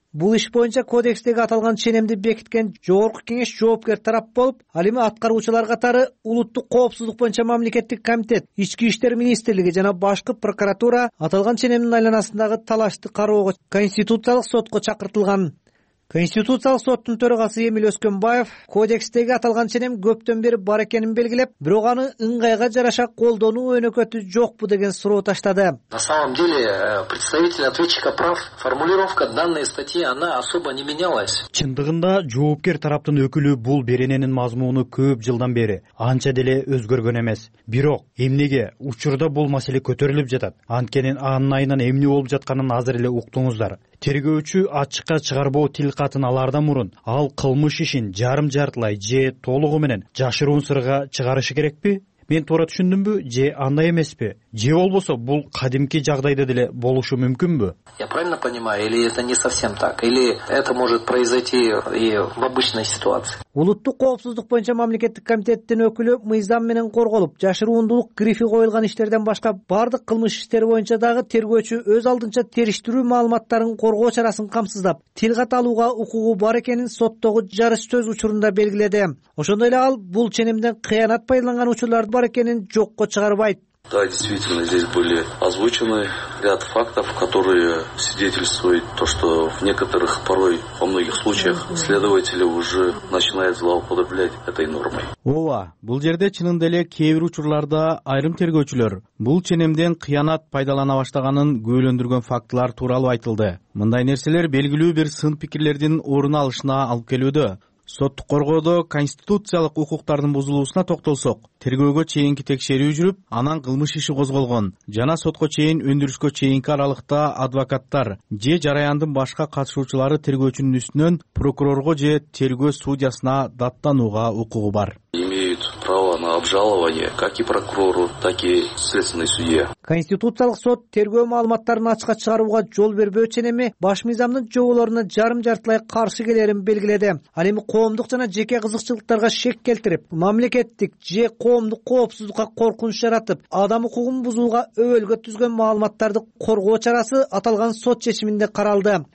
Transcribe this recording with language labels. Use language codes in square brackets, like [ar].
[ky] Бул иш боюнча кодекстеги аталган ченемди бекиткен жогорку кеңеш жоопкер тарап болуп, ал эми аткаруучулар катары улуттук коопсуздук боюнча мамлекеттик комитет, ички иштер министрлиги жана башкы прокуратура аталган ченемдин айланасындагы талашты кароого конституциялык сотко чакыртылган. Конституциялык соттун төрагасы Эмиль Өскөнбаев кодекстеги аталган ченем көптөн бери бар экенин белгилеп, бирок аны ыңгайга жараша колдонуу өнөкөтү жокпу деген суроо таштады. [ru] На самом деле представитель ответчика прав, формулировка данной статьи она особо не менялась. [ky] Чындыгында жоопкер тараптын өкүлү бул беренинин мазмуну көп жылдан бери анча деле өзгөргөн эмес. Бирок эмнеге учурда бул маселе көтөрүлүп жатат? Анткени анын айынан эмне болуп жатканын азыр эле уктуңуздар. Тергөөчү ачыкка чыгарбоо тил катын алардан мурун ал кылмыш ишин жарым жартылай же толугу менен жашыруун сырга чыгарышы керекпи? Мен туура түшүндүмбү же андай эмеспи? Же болбосо бул кадимки жагдайда деле болушу мүмкүнбү? [ru] Я правильно понимаю, или это не совсем так, или это может произойти и в обычной ситуации? [ky] Улуттук коопсуздук боюнча мамлекеттик комитеттин өкүлү мыйзам менен корголуп, жашыруундук грифи коюлган иштерден башка бардык кылмыш иштери боюнча дагы тергөөчү өз алдынча териштирүү маалыматтарын коргоо чарасын камсыздап, тил кат алууга укугу бар экенин соттогу жарыш сөз учурунда белгиледи. Ошондой эле ал бул ченемден кыянат пайдаланган учурлар бар экенин жокко чыгарбайт. [ru] Да, действительно, здесь были озвучены ряд фактов, которые свидетельствуют то, что в некоторых, порой, во многих случаях, следователи уже начинают злоупотреблять этой нормой. [ky] Ооба, бул жерде чынында эле кээ бир учурларда айрым тергөөчүлөр бул ченемден кыянат пайдалана баштаганын күбөлөндүргөн фактылар тууралуу айтылды. Мындай нерселер белгилүү бир сын пикирлердин орун алышына алып келүүдө. Соттук коргоодо конституциялык укуктардын бузулуусуна токтолсок, тергөөгө чейинки текшерүү жүрүп, анан кылмыш иши козголгон жана сотко чейин өндүрүшкө чейинки аралыкта адвокаттар же жараяндын башка катышуучулары тергөөчүнүн үстүнөн прокурорго же тергөө судьясына даттанууга укугу бар. [ru] Обжалование как и прокурору, так и следственной судье. [ky] Конституциялык сот тергөө маалыматтарын ачыкка чыгарууга жол бербөө ченеми баш мыйзамдын жоболоруна жарым-жартылай каршы келерин белгиледи. Ал эми коомдук жана жеке кызыкчылыктарга шек келтирип, мамлекеттик же коомдук коопсуздукка коркунуч жаратып, адам укугун бузууга өбөлгө түзгөн маалыматтарды коргоо чарасы аталган сот чечиминде каралды.